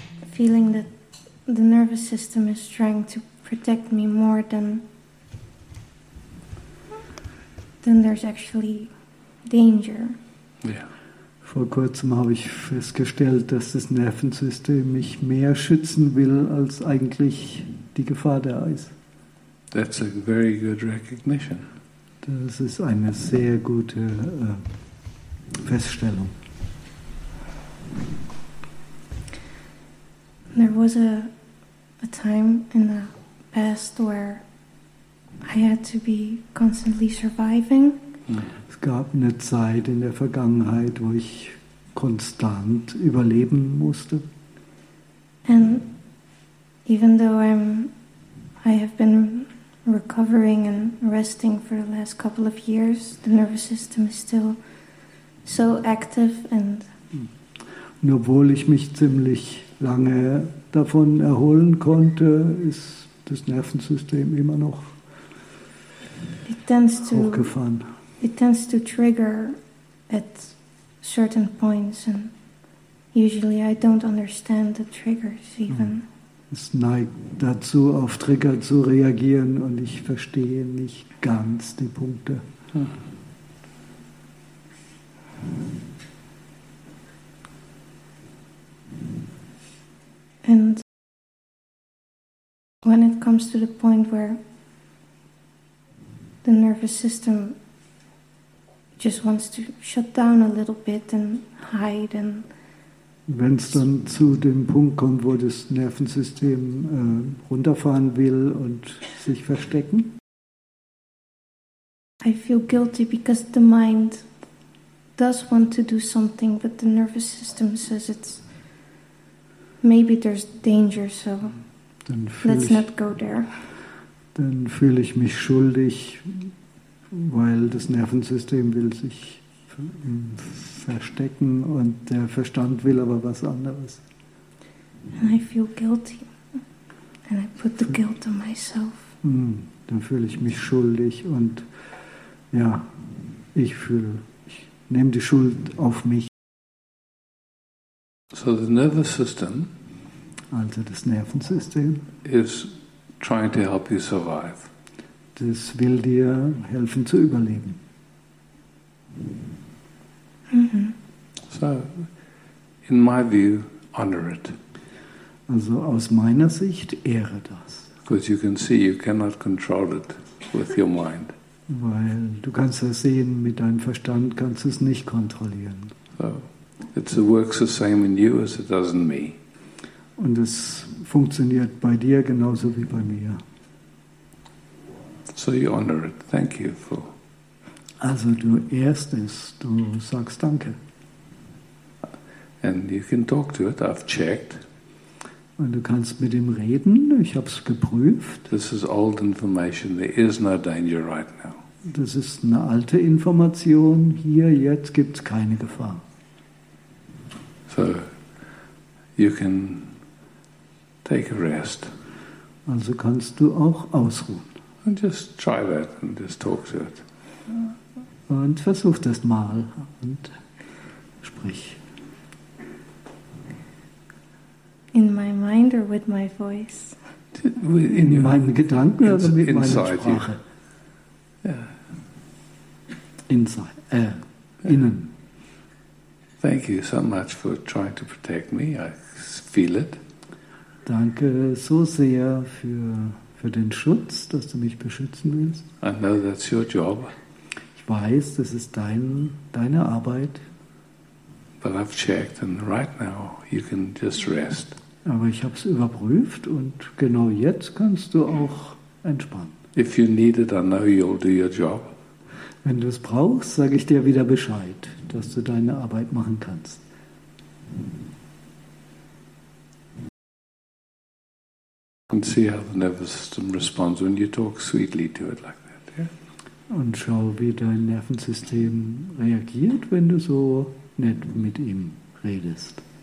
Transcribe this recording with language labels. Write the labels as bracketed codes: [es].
[en] feeling that the nervous system is trying to protect me more than there's actually danger. [de] Ja. Vor kurzem habe ich festgestellt, dass das Nervensystem mich mehr schützen will, als eigentlich die Gefahr da ist. [en] That's a very good recognition. [de] Das ist eine sehr gute Feststellung. [en] There was a time in the past where I had to be constantly surviving. [de] Es gab eine Zeit in der Vergangenheit, wo ich konstant überleben musste. [en] And even though I have been recovering and resting for the last couple of years, the nervous system is still so active and. [de] Und obwohl ich mich ziemlich lange davon erholen konnte, ist das Nervensystem immer noch hochgefahren. [en] It tends to trigger at certain points, and usually I don't understand the triggers even. [de] Es neigt dazu, auf Trigger zu reagieren, und ich verstehe nicht ganz die Punkte. [en] And when it comes to the point where the nervous system just wants to shut down a little bit and hide and. [de] Wenn es dann zu dem Punkt kommt, wo das Nervensystem runterfahren will und sich verstecken. [en] I feel guilty because the mind does want to do something, but the nervous system says it's maybe there's danger, so let's not go there. [de] Dann fühle ich mich schuldig, weil das Nervensystem will sich verstecken und der Verstand will aber was anderes. [en] And I feel guilty and I put the guilt on myself. [de] Dann fühle ich mich schuldig und ja, ich nehme die Schuld auf mich. [en] So the nervous system, [de] also das Nervensystem, [en] is trying to help you survive. [de] Das will dir helfen zu überleben. [en] So, in my view, honor it. [de] Also aus meiner Sicht, ehre das. [en] Because you can see, you cannot control it with your mind. [de] Weil du kannst es sehen, mit deinem Verstand kannst du es nicht kontrollieren. [en] So, it works the same in you as it does in me. [de] Und es funktioniert bei dir genauso wie bei mir. [en] So you honor it. Thank you for. [de] Also du ehrst es, du sagst Danke. [en] And you can talk to it. I've checked. [de] Und du kannst mit ihm reden. Ich habe es geprüft. [en] This is old information. There is no danger right now. [de] Das ist eine alte Information. Hier jetzt gibt's keine Gefahr. [en] So, you can take a rest. [de] Also kannst du auch ausruhen. [en] And just try that and just talk to it. [de] Und versuch das mal und sprich. [en] In my mind or with my voice? [de] In meinen Gedanken oder mit meiner Sprache? [en] Yeah. Inside. Innen. Thank you so much for trying to protect me. I feel it. [de] Danke so sehr für den Schutz, dass du mich beschützen willst. [en] I know that's your job. [de] Ich weiß, das ist deine Arbeit. [en] But I've checked and right now you can just rest. [de] Aber ich habe es überprüft und genau jetzt kannst du auch entspannen. [en] If you need it, I know you'll do your job. [de] Wenn du es brauchst, sage ich dir wieder Bescheid, dass du deine Arbeit machen kannst. [en] And see how the nervous system responds when you talk sweetly to it like that. Yeah? [de] Und schau, wie dein Nervensystem reagiert, wenn du so nett mit ihm redest.